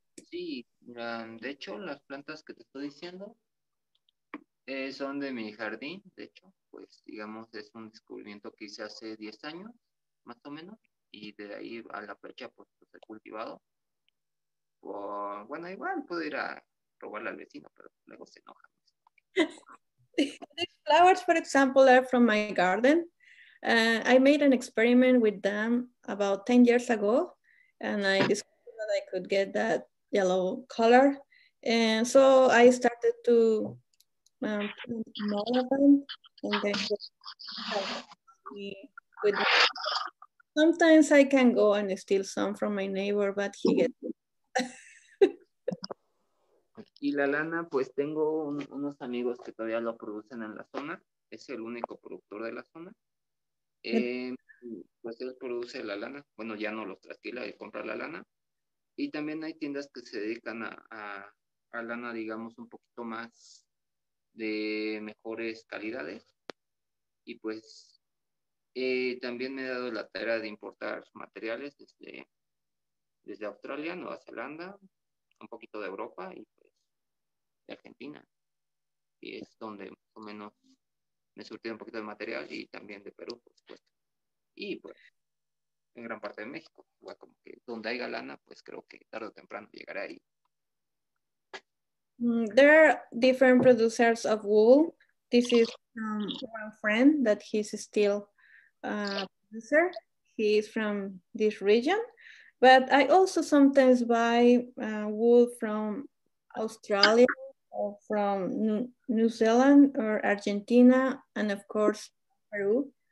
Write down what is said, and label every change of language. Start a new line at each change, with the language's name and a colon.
Spanish: Sí, de hecho las plantas que te estoy diciendo son de mi jardín, de hecho, pues digamos es un descubrimiento que hice hace 10 años, más o menos. Y de ahí a la fecha, pues, he cultivado. Bueno, igual puedo ir a robarle al vecino, pero luego se enoja.
English: These flowers, for example, are from my garden. I made an experiment with them about 10 years ago, and I discovered that I could get that yellow color. And so I started to put more of them, and then with them. Sometimes I can go and steal some from my neighbor, but he gets.
Spanish: Y la lana, pues tengo unos amigos que todavía lo producen en la zona. Es el único productor de la zona. Pues ellos producen la lana. Bueno, ya no los trasquila de comprar la lana. Y también hay tiendas que se dedican a lana, digamos, un poquito más de mejores calidades. Y pues. También me he dado la tarea de importar materiales desde Australia, Nueva Zelanda, un poquito de Europa y pues de Argentina. Y es donde más o menos me surtieron un poquito de material y también de Perú, por supuesto. Y pues, en gran parte de México, igual como que donde haya lana, pues creo que tarde o temprano llegará ahí.
English: There are different producers of wool. This is one friend that he's still a producer. He is from this region. But I also sometimes buy wool from Australia or from New Zealand or Argentina, and of course, Peru.